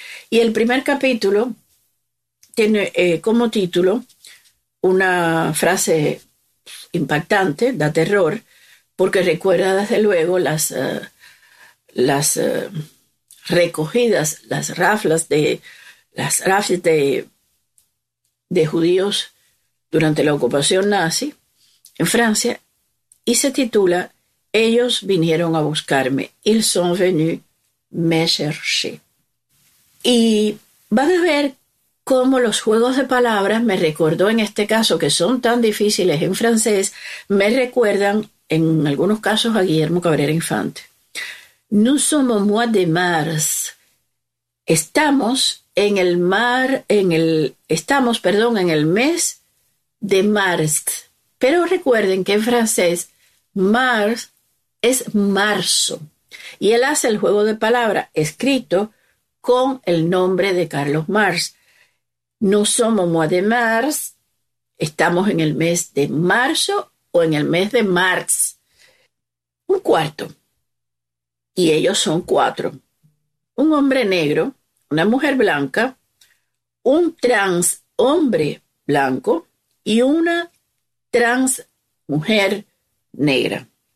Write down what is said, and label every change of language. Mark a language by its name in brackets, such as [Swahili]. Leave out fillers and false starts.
[Spanish] Y el primer capítulo tiene como título una frase impactante, da terror, porque recuerda desde luego las raflas de judíos durante la ocupación nazi en Francia, y se titula Ellos vinieron a buscarme, [French] ils sont venus me chercher. [Spanish] Y van a ver cómo los juegos de palabras, me recordó en este caso, que son tan difíciles en francés, me recuerdan en algunos casos a Guillermo Cabrera Infante. [French] Nous sommes au mois de mars. [Spanish] Estamos en el mes de mars. Pero recuerden que en francés mars es marzo. Y él hace el juego de palabra escrito con el nombre de Carlos Marx. [French] Nous sommes au mois de mars. [Spanish] Estamos en el mes de marzo o en el mes de mars. Un cuarto. Y ellos son cuatro. Un hombre negro, una mujer blanca, un trans hombre blanco y una trans mujer negra.